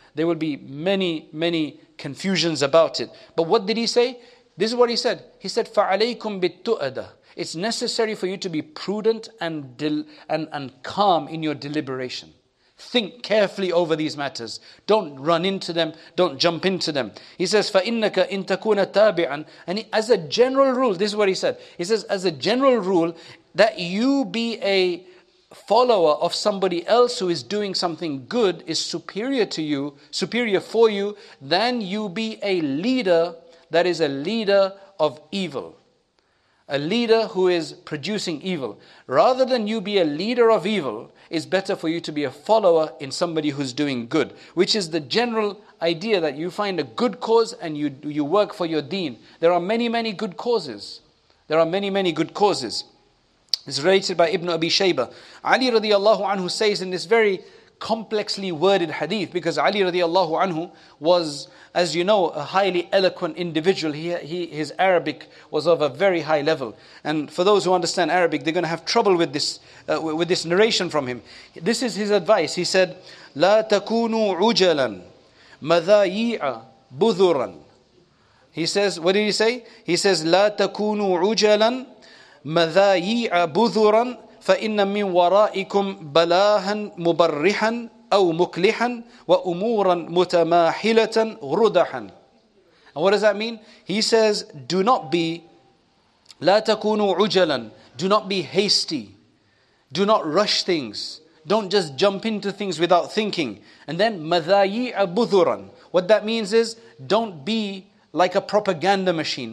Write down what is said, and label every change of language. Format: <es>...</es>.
<en>There will be many, many confusions about it. But what did he say? This is what he said. He said,</en> <ar>فَعَلَيْكُمْ بِالتُؤَدَى.</ar> <en>It's necessary for you to be prudent and calm in your deliberation. Think carefully over these matters. Don't run into them. Don't jump into them. He says,</en> <ar>فَإِنَّكَ إِن تَكُونَ تَابِعًا.</ar> <en>And as a general rule, this is what he said. He says, as a general rule, that you be a follower of somebody else who is doing something good is superior to you, superior for you, than you be a leader that is a leader of evil. A leader who is producing evil. Rather than you be a leader of evil, it's better for you to be a follower in somebody who's doing good. Which is the general idea that you find a good cause and you work for your deen. There are many, many good causes. There are many, many good causes. It's related by Ibn Abi Shayba. Ali radiallahu anhu says in this very complexly worded hadith, because Ali radiallahu anhu was, as you know, a highly eloquent individual. His Arabic was of a very high level. And for those who understand Arabic, they're going to have trouble with this narration from him. This is his advice. He said,</en> <ar>"La takunu ujalan, madayi'a budhuran."</ar> <en>He says, what did he say? He says,</en> <ar>"La takunu ujalan, madayi'a budhuran, فَإِنَّ مِنْ وَرَائِكُمْ بَلَاهًا مُبَرِّحًا أَوْ مُكْلِحًا وَأُمُورًا مُتَمَاحِلَةً غُرُدَحًا.</ar> <en>And what does that mean? He says, do not be,</en> <ar>لا تَكُونُوا عُجَلًا.</ar> <en>Do not be hasty. Do not rush things. Don't just jump into things without thinking. And then,</en> <ar>مَذَايِعَ بُذُرًا.</ar> <en>What that means is, don't be like a propaganda machine.</en>